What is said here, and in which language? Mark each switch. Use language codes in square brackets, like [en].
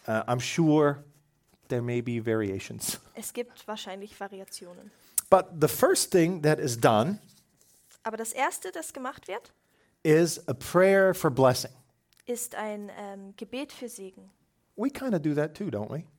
[en] I'm sure there may be variations. [de] Es gibt wahrscheinlich Variationen. [en] But the first thing that is done. [de] Aber das erste, das gemacht wird, [en] is a prayer for blessing. [de] Ist ein Gebet für Segen. [en] We kind of do that too, don't we?